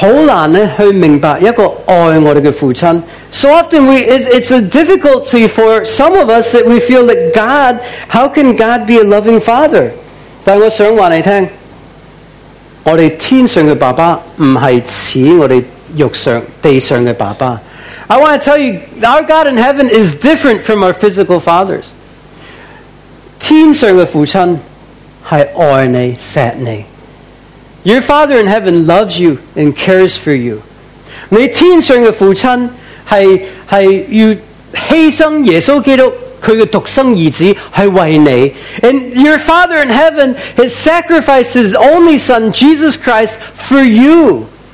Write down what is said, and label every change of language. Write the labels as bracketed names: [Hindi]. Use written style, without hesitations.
[Chinese] 或者我们会有这种难题的，我们是很难去明白一个爱我们的父亲。 [English] So often it's a difficulty for some of us that we feel that God, how can God be a loving father? [Chinese] 但我想告诉你，我们天上的爸爸不是像我们地上的爸爸。 [English] I want to tell you, our God in heaven is different from our physical fathers. [Chinese] 天上的父亲是爱你、锡你。 [English] Your Father in heaven loves you and cares for you. [Chinese] 你天上的父亲是要牺牲耶稣基督他的独生儿子是为你。 [English] And your Father in heaven has sacrificed his only Son, Jesus Christ, for you.